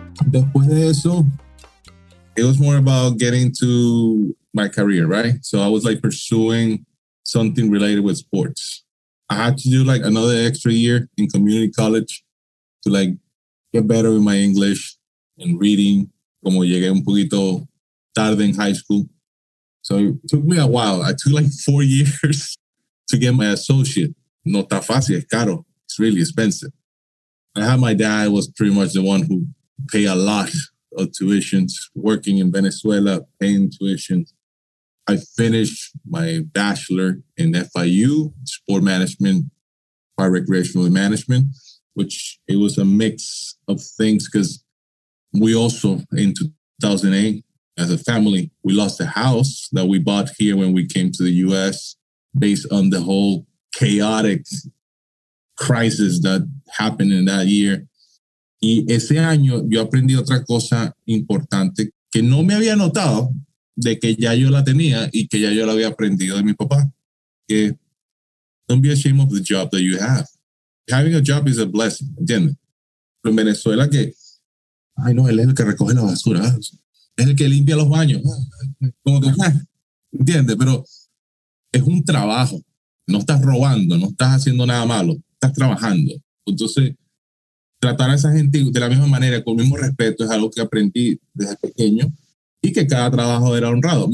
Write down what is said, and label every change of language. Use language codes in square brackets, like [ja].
[es] Después de eso, [en] it was more about getting to my career, right? So I was like pursuing something related with sports. I had to do like another extra year in community college to like get better with my English and reading. [es] Como llegué un poquito tarde en high school. [en] So it took me a while. I took like 4 years to get my associate. [es] No está fácil, es caro. [en] It's really expensive. I had my dad was pretty much the one who paid a lot of tuitions, working in Venezuela, paying tuitions. I finished my bachelor in FIU, sport management, park recreational management, which it was a mix of things because we also, in 2008, as a family, we lost a house that we bought here when we came to the U.S. based on the whole chaotic crisis that happened in that year. [es] Y ese año, yo aprendí otra cosa importante que no me había notado, de que ya yo la tenía y que ya yo la había aprendido de mi papá. [en] Que don't be ashamed of the job that you have. Having a job is a blessing, ¿entiendes? [es] Pero en Venezuela, que, ay, no, él es el que recoge la basura, es el que limpia los baños. Como que, ¿entiendes? Pero es un trabajo. No estás robando, no estás haciendo nada malo, estás trabajando. Entonces, tratar a esa gente de la misma manera, con el mismo respeto, es algo que aprendí desde pequeño y que cada trabajo era honrado.